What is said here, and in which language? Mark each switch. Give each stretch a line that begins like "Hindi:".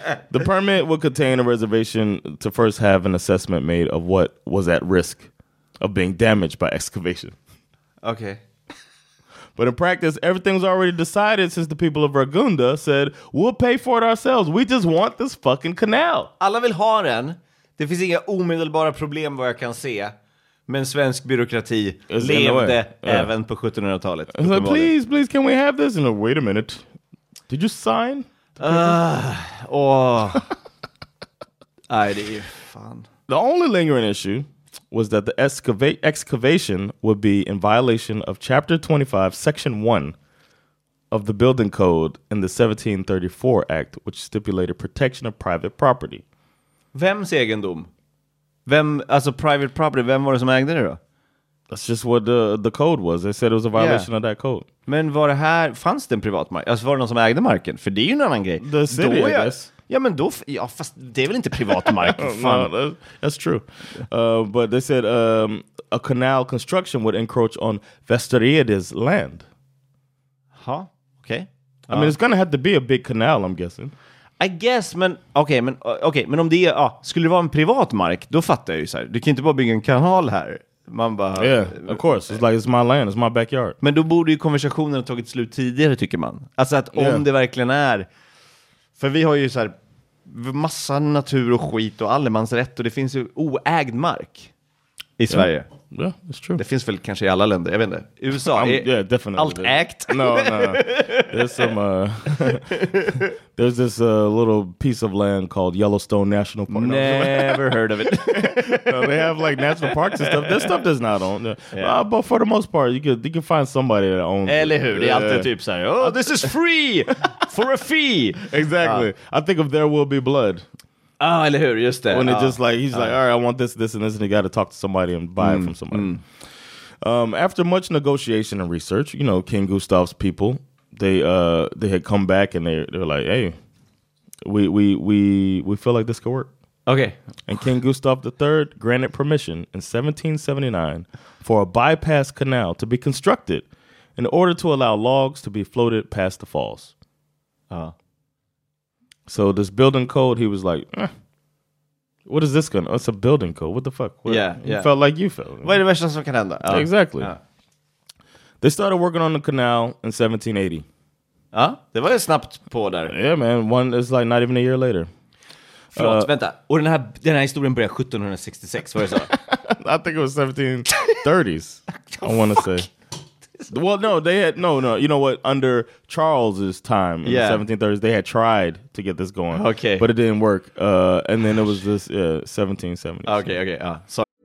English: The permit would contain a reservation to first have an assessment made of what was at risk of being damaged by excavation. Okay. But in practice, everything's already decided since the people of Ragunda said, we'll pay for it ourselves. We just want this fucking canal.
Swedish: Alla vill ha den. Det finns inga omedelbara problem vad jag kan se. Men svensk byråkrati levde även på 1700-talet.
English: Like, please, please, can we have this? And wait a minute. Did you sign?
Swedish: Åh. Nej, det är ju fan.
English: The only lingering issue was that the excavation would be in violation of Chapter 25, Section 1 of the Building Code in the 1734 Act, which stipulated protection of private property.
Swedish: Vems egendom? Vem, alltså private property, vem var det som ägde det då?
English: That's just what the code was. They said it was a violation of that code.
Swedish: Men var det här, fanns det en privat mark? Alltså var det någon som ägde marken? För det är ju en annan grej.
English: The city, då, I guess.
Swedish: Ja, men då, ja, fast det är väl inte privat mark? Fan.
English: No, that's true. But they said a canal construction would encroach on Västeriedes land. Huh? Okay. I mean, it's going to have to be a big canal, I'm guessing. I guess,
Swedish: men okej, okay, men om det är, skulle det vara en privat mark, då fattar jag ju så här. Du kan inte bara bygga en kanal här. Man bara,
English: yeah, of course. It's like, it's my land, it's my backyard.
Swedish: Men då borde ju konversationen ha tagit slut tidigare, tycker man. Alltså att om det verkligen är, för vi har ju så här massa natur och skit och allemansrätt, och det finns ju oägd mark i Sverige.
English: Yeah, that's true.
Swedish: Det finns väl kanske i alla länder, jag vet inte. USA är
English: definitely.
Swedish: Allt ägt.
English: No. There's some there's this little piece of land called Yellowstone National Park. Never heard of it. No, they have like national parks and stuff. This stuff does not own. Yeah. But for the most part, you can find somebody that owns.
Swedish: Eller hur? Det är alltid typ så här,
English: "Oh, this is free for a fee." Exactly. I think of There Will Be Blood.
Swedish: Ah, eller hur, just det.
English: When it just like, he's like, all right, I want this, and you got to talk to somebody and buy it from somebody. Mm. After much negotiation and research, you know, King Gustav's people, they had come back and they were like, hey, we feel like this could work. Okay. And King Gustav III granted permission in 1779 for a bypass canal to be constructed in order to allow logs to be floated past the falls. So this building code, he was like, what is this gonna? It's a building code. What the fuck? What? Yeah, you felt like you felt. Wait a minute, what can happen? Exactly. They started working on the canal in 1780.
Swedish: Ah, det var ju snabbt på där.
English: Yeah, man. One is like not even a year later.
Swedish: Förlåt, vänta. Och den här historien började 1766, var det så?
English: I think it was 1730s, I want to say. Well, no, they had no. You know what? Under Charles's time in the 1730s, they had tried to get this going. Okay, but it didn't work. And then it was this 1770s. Okay. So